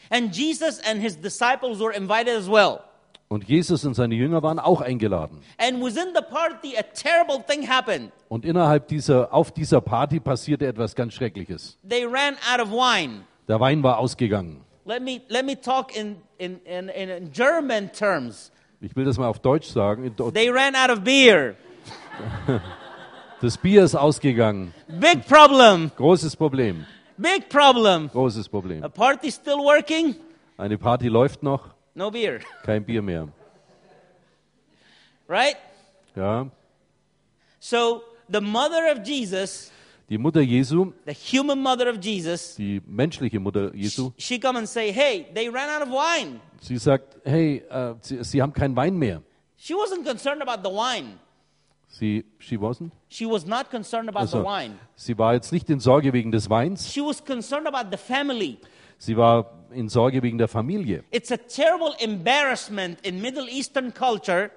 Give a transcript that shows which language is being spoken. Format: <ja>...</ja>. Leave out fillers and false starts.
<en>And Jesus and his disciples were invited as well.</en> <de>Und Jesus und seine Jünger waren auch eingeladen.</de> <en>And within the party, a terrible thing happened.</en> <de>Und innerhalb dieser Party passierte etwas ganz Schreckliches.</de> <en>They ran out of wine.</en> <de>Der Wein war ausgegangen.</de> <en>Let me talk in German terms.</en> <de>Ich will das mal auf Deutsch sagen.</de> <en>They ran out of beer.</en> <de>Das Bier ist ausgegangen.</de> <en>Big problem.</en> <de>Großes Problem.</de> <en>Big problem.</en> <de>Großes Problem.</de> <en>A party still working?</en> <de>Eine Party läuft noch.</de> <en>No beer.</en> <de>Kein Bier mehr.</de> <en>Right?</en> <de>Ja.</de> <en>So the mother of Jesus,</en> <de>die Mutter Jesu,</de> <en>the human mother of Jesus,</en> <de>die menschliche Mutter Jesu,</de> <en>she come and say, hey, they ran out of wine.</en> <de>Sie sagt, hey, sie haben keinen Wein mehr.</de> <en>She wasn't concerned about the wine. She wasn't? She was not concerned about the wine.</en> <de>Sie war jetzt nicht in Sorge wegen des Weins.</de> <en>She was concerned about the family.</en> <de>Sie war in Sorge wegen der Familie.</de> <en>It's a terrible embarrassment in Middle Eastern culture.</en>